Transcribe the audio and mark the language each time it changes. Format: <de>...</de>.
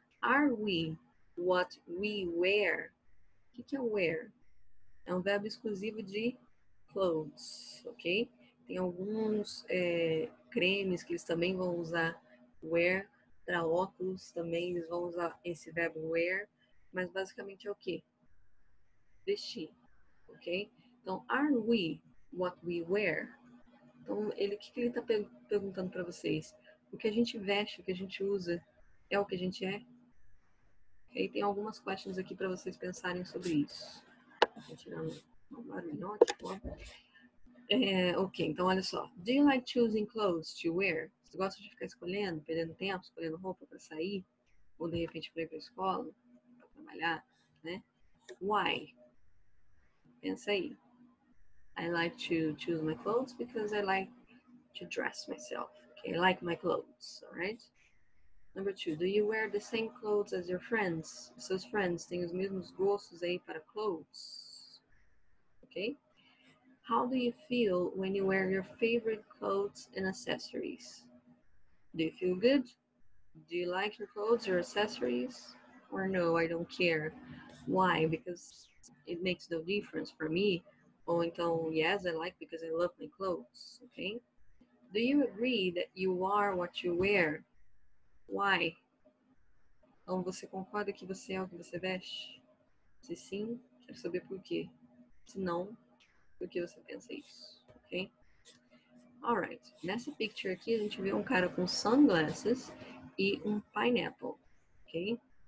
<en>Are we what we wear?</en> <pt>O que é wear? É um verbo exclusivo de clothes, ok? Tem alguns cremes que eles também vão usar wear. Para óculos também eles vão usar esse verbo wear. Mas basicamente é o quê? Vestir, ok? Então,</pt> <en>are we what we wear?</en> <pt>Então, ele, o que ele está perguntando para vocês? O que a gente veste, o que a gente usa, é o que a gente é? E tem algumas questions aqui para vocês pensarem sobre isso. Vou tirar um barulhão aqui, ó. É, ok, então olha só.</pt> <en>Do you like choosing clothes to wear?</en> <pt>Você gosta de ficar escolhendo, perdendo tempo, escolhendo roupa para sair? Ou, de repente, para ir para a escola, para trabalhar, né?</pt> <en>Why?</en> <pt>Pensa aí.</pt> <en>I like to choose my clothes because I like to dress myself. Okay, I like my clothes, all right? Number two, do you wear the same clothes as your friends?</en> <pt>Seus friends têm os mesmos gostos aí para clothes?</pt> <en>Okay. How do you feel when you wear your favorite clothes and accessories? Do you feel good? Do you like your clothes or accessories? Or no, I don't care. Why? Because it makes no difference for me. Oh, então, yes, I like because I love my clothes, okay? Do you agree that you are what you wear? Why?</en> <pt>Então, você concorda que você é o que você veste? Se sim, quero saber por quê. Se não, por que você pensa isso, okay? Alright, nessa picture aqui, a gente vê um cara com sunglasses e um pineapple, okay?</pt>